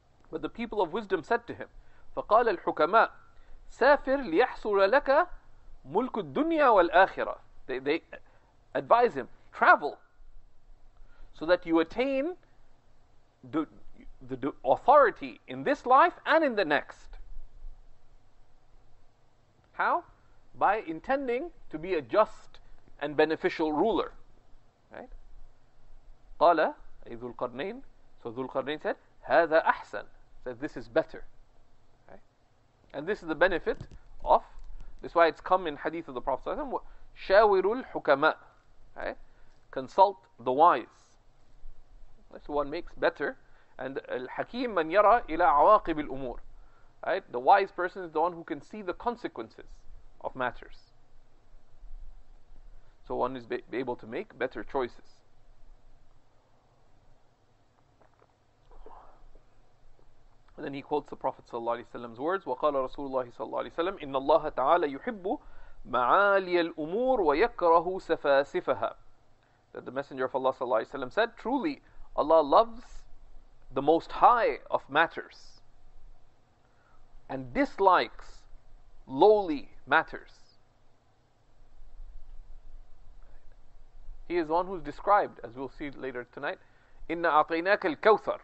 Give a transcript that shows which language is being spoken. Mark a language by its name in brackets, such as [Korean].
[English] But the people of wisdom said to him, [Arabic] فَقَالَ الْحُكَمَاءُ سَافِرْ لِيَحْصُرَ لَكَ مُلْكُ الدُّنْيَا وَالْآخِرَةِ [English] They advise him, travel, so that you attain the authority in this life and in the next. How? By intending to be a just and beneficial ruler. Right? [Arabic] قَالَ ذُو الْقَرْنَيْنِ [English] So ذُو الْقَرْنَيْنِ said, [Arabic] هَذَا أَحْسَنُ [English] That this is better. Okay? And this is the benefit of, this is why it's come in hadith of the Prophet ﷺ, [Arabic] شاوروا الحكماء. [English] Okay? Consult the wise. That's what makes better. [Arabic] And الحكيم من يرى إلى عواقب الأمور. [English] Right? The wise person is the one who can see the consequences of matters. So one is able to make better choices. And then he quotes the Prophet sallallahu alaihi wasallam's words, [Arabic] وَقَالَ رَسُولُ اللَّهِ صَلَّى اللَّهِ وَسَلَّمَ إِنَّ اللَّهَ تَعَالَى يُحِبُّ مَعَالِيَ الْأُمُورِ وَيَكْرَهُ سَفَاسِفَهَا. [English] That the Messenger of Allah sallallahu alaihi wasallam said, truly, Allah loves the most high of matters and dislikes lowly matters. He is one who is described, as we'll see later tonight, [Arabic] إِنَّ أَعْطَيْنَاكَ الْكَوْثَرِ.